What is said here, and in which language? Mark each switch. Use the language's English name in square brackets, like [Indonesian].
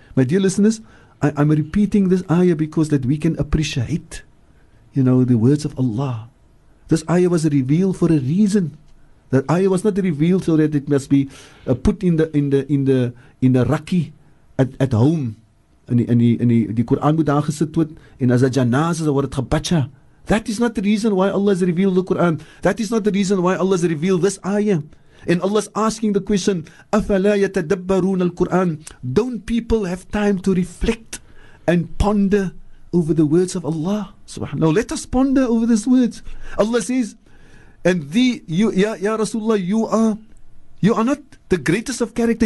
[English] My dear listeners, I'm repeating this ayah because that we can appreciate, you know, the words of Allah. This ayah was revealed for a reason. That ayah was not revealed so that it must be put in the raki at home. And the Quran [Afrikaans] moet daar gesit word en as 'n janaza word dit gebatcha. [English] That is not the reason why Allah has revealed the Quran. That is not the reason why Allah has revealed this ayah. And Allah is asking the question, [Arabic] أَفَلَا يَتَدَبَّرُونَ الْقُرْآنِ. [English] Don't people have time to reflect and ponder over the words of Allah? Now let us ponder over these words. Allah says, and ya Rasulullah, you are not the greatest of character.